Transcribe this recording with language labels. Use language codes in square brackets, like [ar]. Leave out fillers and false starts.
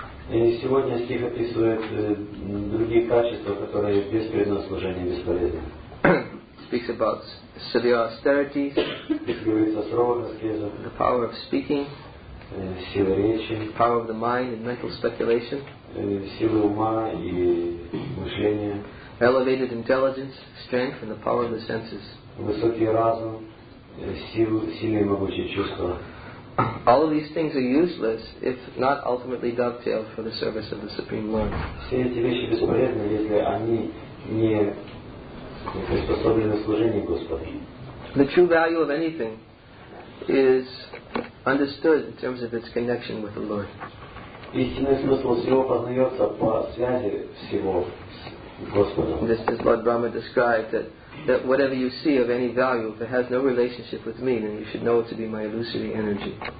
[ru] И сегодня стих описывает другие качества, которые без преданного служения бесполезны. [en] speaks about severe austerities, the power of speaking, [ru] сила речи, [en] power of the mind and mental speculation, [ru] сила ума и мышления, [en] elevated intelligence, strength and the power of the senses. [ru] Высокий разум, сильные могучие чувства. [en] All of these things are useless if not ultimately dovetailed for the service of the Supreme Lord. [ru] Все эти вещи бесполезны, если они не приспособлены служению Господа. [en] The true value of anything is understood in terms of its connection with the Lord. [ru] Истинный смысл всего познается по связи всего с Господом. [en] This is what Brahma described, that whatever you see of any value, if it has no relationship with me, then you should know it to be my illusory energy.